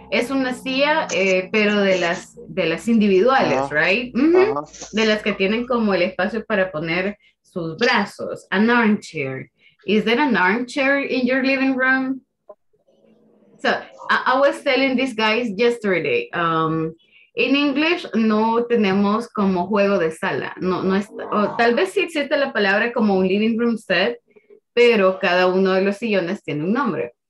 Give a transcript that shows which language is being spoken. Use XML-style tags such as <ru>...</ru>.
<es>Es una silla, pero de las individuales, uh-huh. Right? Mm-hmm. Uh-huh. De las que tienen como el espacio para poner sus brazos.</es> <en>An armchair. Is there an armchair in your living room? So I was telling these guys yesterday. In English,</en> <es>no tenemos como juego de sala. Tal vez sí existe la palabra como un living room set, pero cada uno de los sillones tiene un nombre.</es>